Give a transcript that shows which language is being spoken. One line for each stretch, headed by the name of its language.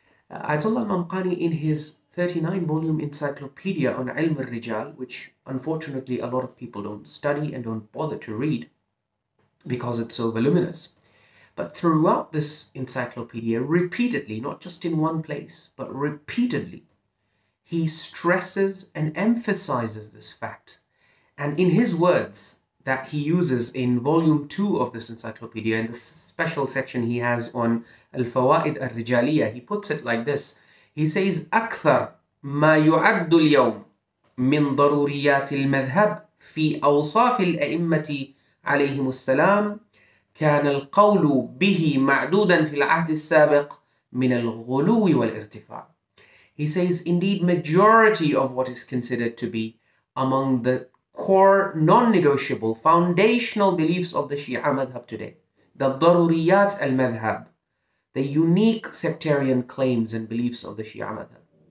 English: Ayatollah al-Mamqani, in his 39-volume encyclopedia on Ilm al-Rijal, which unfortunately a lot of people don't study and don't bother to read because it's so voluminous, but throughout this encyclopedia, repeatedly, not just in one place, but repeatedly, he stresses and emphasizes this fact. And in his words that he uses in volume 2 of this encyclopedia, in the special section he has on Al-Fawa'id Al-Rijaliya, he puts it like this. He says,
Arabic: أكثر ما يعد اليوم من ضروريات المذهب في أوصاف الأئمة عليهم السلام كان القول به معدودا في العهد السابق من الغلو والارتفاع.
English: He says, indeed, majority of what is considered to be among the core, non-negotiable, foundational beliefs of the Shia Madhab today, the Daruriyat al-Madhab, the unique sectarian claims and beliefs of the Shia Madhab.